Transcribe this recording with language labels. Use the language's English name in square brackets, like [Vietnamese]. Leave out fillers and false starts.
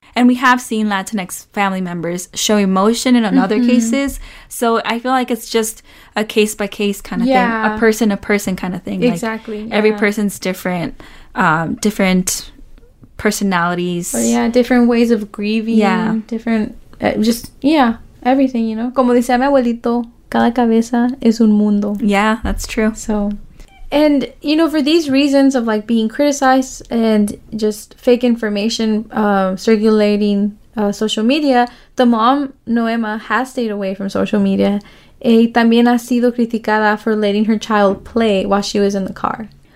[English] And we have seen Latinx family members show emotion in other mm-hmm. cases. So I feel like it's just a case-by-case kind of yeah. thing. A person-to-person kind of thing. Exactly. Like, yeah. Every person's different. Different personalities. But yeah, different ways of grieving. Yeah. Different, just, yeah, everything, you know. [Spanish] Como dice mi abuelito, cada cabeza es un mundo. [English] Yeah, that's true. So, and, you know, for these reasons of, like, being criticized and just fake information circulating social media, the mom, Noema, has stayed away from social media. [Spanish] Y también ha sido criticada [English] for letting her child play while she was in the car.